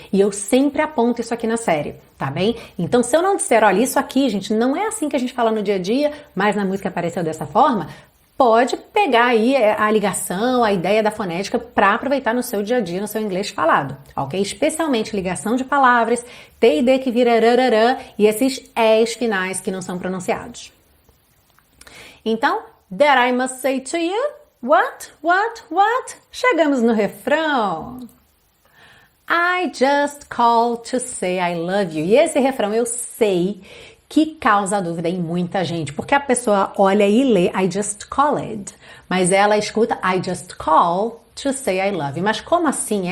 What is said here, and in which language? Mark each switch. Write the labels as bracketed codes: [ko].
[pt] E eu sempre aponto isso aqui na série, tá bem? Então, se eu não disser, olha, isso aqui, gente, não é assim que a gente fala no dia a dia, mas na música apareceu dessa forma, pode pegar aí a ligação, a ideia da fonética para aproveitar no seu dia a dia, no seu inglês falado, ok? Especialmente ligação de palavras, T e D que vira rararã e esses S finais que não são pronunciados. [en] Então, that I must say to you, what? [pt] Chegamos no refrão. [en] I just call to say I love you. [pt] E esse refrão eu sei que causa dúvida em muita gente, porque a pessoa olha e lê [en] I just called, [pt] mas ela escuta I just call to say I love you. Mas como assim?